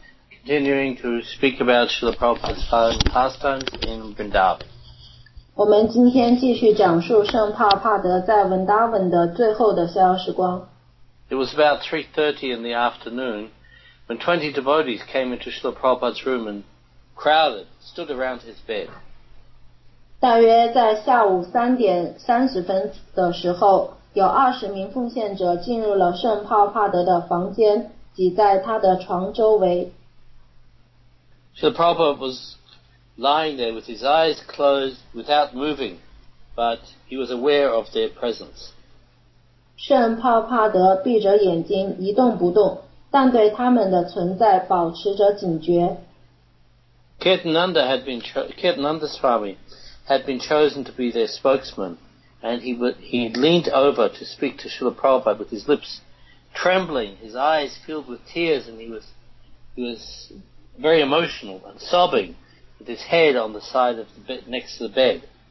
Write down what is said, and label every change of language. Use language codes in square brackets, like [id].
[en] Continuing to speak about Srila Prabhupada's pastimes in Vrindavan. [zh] 我们今天继续讲述圣帕帕德在 Vrindavan 的最后的逍遥时光。 [en] It was about 3:30 in the afternoon,When 20 devotees came into Srila Prabhupada's room and crowded, stood around his bed. [zh] 大约在下午3:30的时候，有20名奉献者进入了圣帕帕德的房间，挤在他的床周围。 [en] Srila Prabhupada was lying there with his eyes closed, without moving, but he was aware of their presence. [zh] 圣帕帕德闭着眼睛，一动不动。但对他们的存在保持着警觉。 [en] Kirtananda Swami had been chosen to be their spokesman, and he leaned over to speak to Srila Prabhupada with his lips trembling, his eyes filled with tears, and he was very emotional and sobbing with his head on the side of the bed, next to the bed.